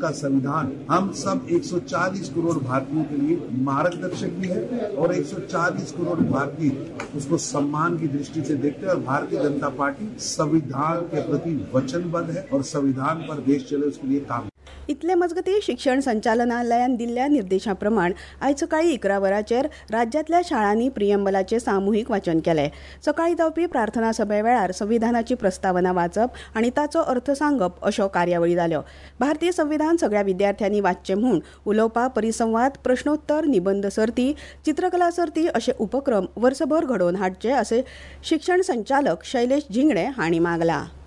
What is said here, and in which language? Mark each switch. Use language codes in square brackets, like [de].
[hi] 40 करोड़ भारतीयों के लिए मार्गदर्शक भी है और 140 करोड़ भारतीय उसको सम्मान की दृष्टि से देखते हैं और भारतीय जनता पार्टी संविधान के प्रति वचनबद्ध है और संविधान पर देश चले उसके लिए काम. [kok] इतले मजगती शिक्षण संचालनालयान दिल्ल्या निर्देशा प्रमाण आयज सकाळी 11 वरांचेर राज्यातल्या शाळांनी प्रियंबलाचे सामुहीक वाचन केले. सकाळी जावपी प्रार्थना सभे वेळार संविधानाची प्रस्तावना वाचप आनी ताचो अर्थ सांगप अश्यो कार्यावळी जाल्यो. भारतीय संविधान सगळ्या विद्यार्थ्यांनी वाचचे म्हूण उलोवपा परिसंवाद, प्रश्नोत्तर, निबंध सर्ती, चित्रकला सर्ती असे उपक्रम वर्सभर घडोवन हाडचे असे शिक्षण संचालक शैलेश झिंगडे हांणी मागला.